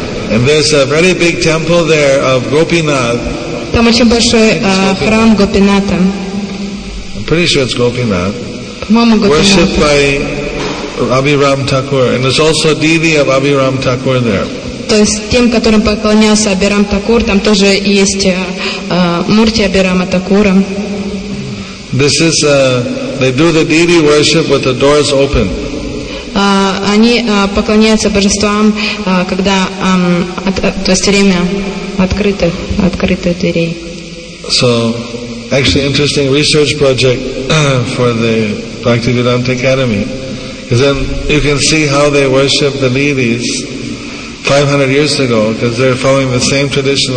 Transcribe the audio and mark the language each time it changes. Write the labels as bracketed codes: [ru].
[en] And there's a very big temple there of Gopinath. [ru] Там очень большой храм Гопинатха. [en] I'm pretty sure it's Gopinath. [ru] По-моему, Гопинатха. [en] Worshipped by Abhiram Thakur, and there's also a deity of Abhiram Thakur there. [ru] То есть тем, которым поклонялся Абирам Такур, там тоже есть мурти Абирама Такура. [en] This is they do the deity worship with the doors open. [ru] Они поклоняются божествам, когда то есть время открытых дверей. [en] So, actually, interesting research project for the Bhaktivedanta Academy. Because then you can see how they worship the deities 500 years ago, because they're following the same tradition.